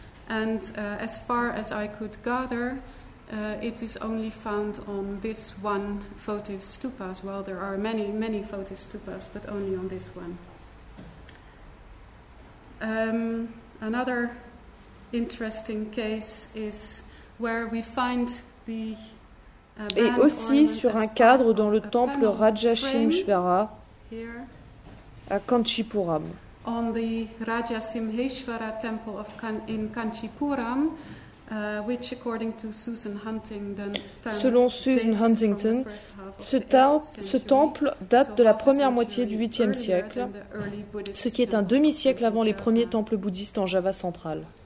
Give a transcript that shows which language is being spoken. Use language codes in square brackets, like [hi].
[en] And as far as I could gather, it is only found on this one votive stupa as well. There are many, many votive stupas, but only on this one. Another interesting case is where we find the [fr] Et aussi sur un cadre dans le temple Rajasimheshvara à Kanchipuram. [en] On the Rajasimheshvara temple of in Kanchipuram, which according to Susan Huntington, [fr] selon Susan Huntington, ce temple date de la première moitié du 8e siècle, ce qui est un demi-siècle avant les premiers temples bouddhistes en Java centrale.